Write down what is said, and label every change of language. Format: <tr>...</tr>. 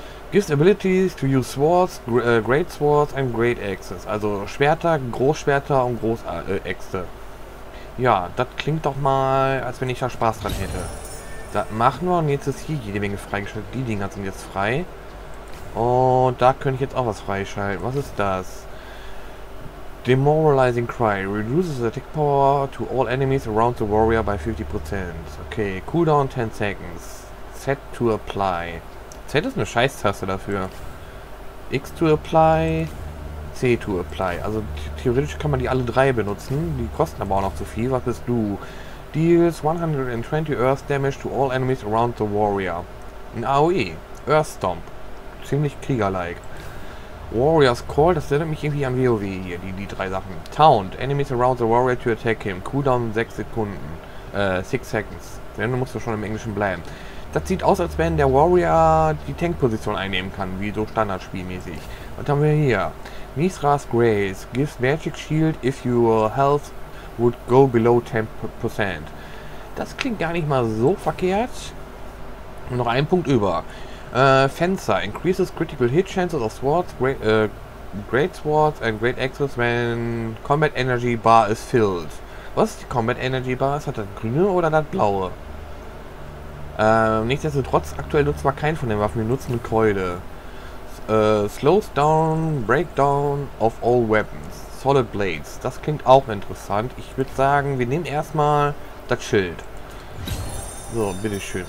<en>Gives abilities to use swords, great swords and great axes.</en> <de>Also Schwerter, Großschwerter und Großäxte. Ja, das klingt doch mal, als wenn ich da Spaß dran hätte. Das machen wir und jetzt ist hier jede Menge freigeschaltet. Die Dinger sind jetzt frei. Und da könnte ich jetzt auch was freischalten. Was ist das? Demoralizing Cry.</de> <en>Reduces attack power to all enemies around the warrior by 50%. Okay, cooldown 10 seconds. Z to apply.</en> <de>Z ist eine Scheißtaste dafür.</de> <en>X to apply. C to apply.</en> <de>Also theoretisch kann man die alle drei benutzen. Die kosten aber auch noch zu viel. Was bist du?</de> <en>Deals 120 Earth Damage to all enemies around the warrior.</en> <de>Ein AOE. Earth Stomp. Ziemlich Krieger-like. Warrior's Call. Das erinnert mich irgendwie an WoW hier. Die drei Sachen. Taunt.</de> <en>Enemies around the warrior to attack him.</en> <de>Cooldown 6 Sekunden. 6 Seconds. Dann musst du schon im Englischen bleiben. das sieht aus, als wenn der Warrior die Tankposition einnehmen kann, wie so standardspielmäßig. Was haben wir hier?</de> <en>Mithras Grace gives Magic Shield if your health would go below 10%.</en> <de>Das klingt gar nicht mal so verkehrt. Und noch ein Punkt über.</de> <en>Fencer increases critical hit chances of swords, great swords and great axes when combat energy bar is filled.</en> <de>Was ist die Combat Energy Bar? Ist das grüne oder das blaue? Nichtsdestotrotz, aktuell nutzt man keinen von den Waffen, wir nutzen eine Keule.</de> <en>Slows down, breakdown of all weapons.</en> <de>Solid Blades. Das klingt auch interessant. Ich würde sagen, wir nehmen erstmal das Schild. So, bitteschön.</de>